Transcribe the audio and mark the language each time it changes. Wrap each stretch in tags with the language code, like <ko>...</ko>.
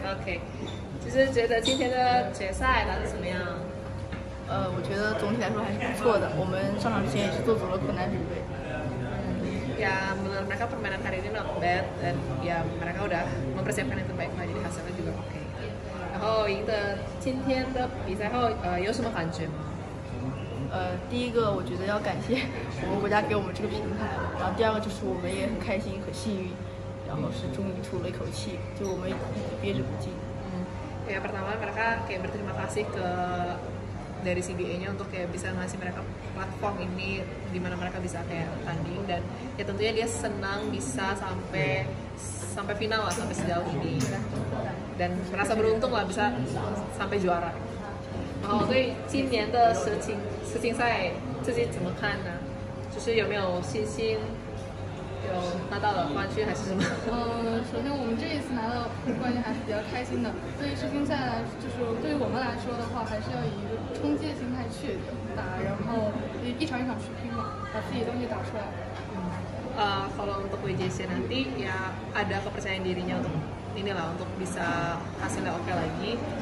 <zh>OK，其实觉得今天的决赛打得怎么样？我觉得总体来说还是不错的。我们上场之前也是做足了困难准备。</zh> <id>Ya, mereka permainan hari ini not bad, dan ya mereka udah mempersiapkan yang terbaik, jadi hasilnya juga OK.</id> <zh>然后赢得今天的比赛后，有什么感觉吗？第一个我觉得要感谢我们国家给我们这个平台，然后第二个就是我们也很开心、很幸运。然后是终于吐了一口气，就我们憋着不进。嗯，</zh> <id>ya pertama mereka kayak berterima kasih ke dari CBA-nya untuk kayak bisa ngasih mereka platform ini di mana mereka bisa kayak tanding, dan ya tentunya dia senang bisa sampai final lah, sampai sejauh ini, dan merasa beruntung lah bisa sampai juara.</id> <zh>然后对今年的世锦赛自己怎么看呢？就是有没有信心？有拿到了冠军还是什么？首先我们这一次拿到冠军还是比较开心的。对于世锦赛来说，就是对于我们来说的话，还是要以一个冲击的心态去打，然后一场一场去拼嘛，把自己东西打出来。</zh> <id>Kalau untuk WJC nanti ya ada kepercayaan dirinya untuk inilah untuk bisa hasilnya oke lagi.</id>